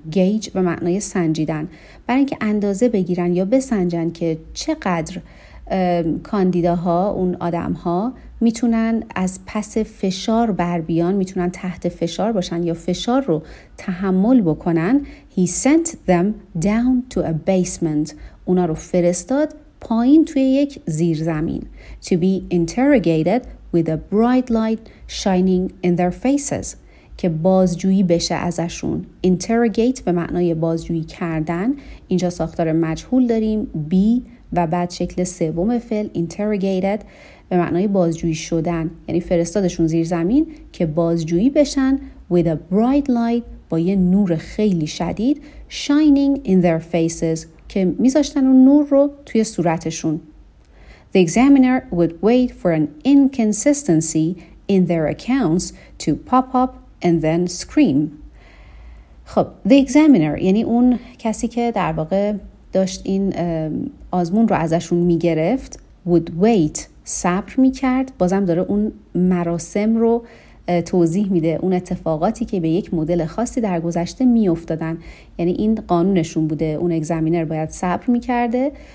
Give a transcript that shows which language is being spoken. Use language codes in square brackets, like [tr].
[fa] gauge به معنای سنجیدن، برای اینکه اندازه بگیرن یا بسنجن که چقدر کاندیداها، اون آدمها میتونن از پس فشار بر بیان، میتونن تحت فشار باشن یا فشار رو تحمل بکنن. [en] He sent them down to a basement. [fa] اونا رو فرستاد پایین توی یک زیرزمین. [en] To be interrogated with a bright light shining in their faces. [fa] که بازجویی بشه ازشون. Interrogate به معنای بازجویی کردن. اینجا ساختار مجهول داریم. Be و بعد شکل سوم فعل interrogated به معنای بازجویی شدن، یعنی فرستادشون زیر زمین که بازجویی بشن. [en] with a bright light [fa] با یه نور خیلی شدید. [en] shining in their faces [fa] که میذاشتن اون نور رو توی صورتشون. [en] the examiner would wait for an inconsistency in their accounts to pop up and then scream. [fa] خب [en] the examiner [fa] یعنی اون کسی که در واقع داشت این آزمون رو ازشون میگرفت، [en] would wait [fa] صبر میکرد. بازم داره اون مراسم رو توضیح میده، اون اتفاقاتی که به یک مدل خاصی در گذشته میافتادن، یعنی این قانونشون بوده اون اگزامینر باید صبر میکرده.